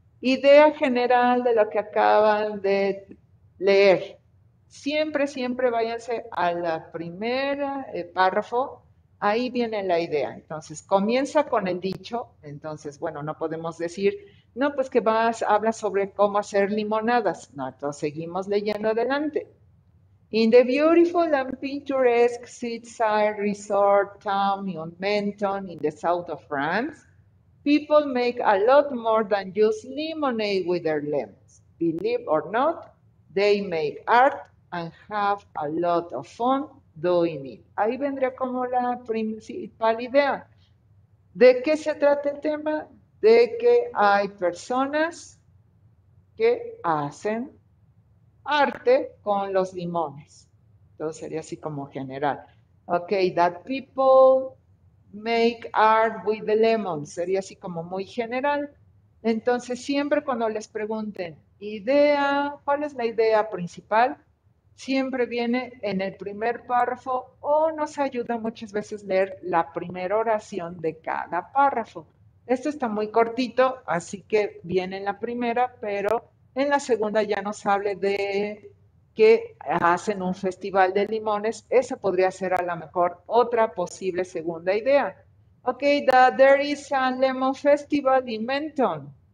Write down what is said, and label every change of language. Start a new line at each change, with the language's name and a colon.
Spanish: Idea general de lo que acaban de leer. Siempre, siempre váyanse a la primera párrafo. Ahí viene la idea. Entonces, comienza con el dicho. Entonces, bueno, no podemos decir, no, pues que vas, habla sobre cómo hacer limonadas. No, entonces seguimos leyendo adelante.
English: In the beautiful and picturesque seaside resort town in Mentone in the south of France, people make a lot more than just lemonade with their lemons. Believe or not, they make art and have a lot of fun doing it.
Spanish: Ahí vendría como la principal idea. ¿De qué se trata el tema? De que hay personas que hacen arte con los limones. Entonces sería así como general.
English: Ok, that people make art with the lemons.
Spanish: Sería así como muy general. Entonces siempre cuando les pregunten, idea, ¿cuál es la idea principal? Siempre viene en el primer párrafo o nos ayuda muchas veces leer la primera oración de cada párrafo. Esto está muy cortito, así que viene en la primera, pero en la segunda ya nos hable de que hacen un festival de limones. Esa podría ser a lo mejor otra posible segunda idea.
English: Ok, there is a lemon festival in Mentone.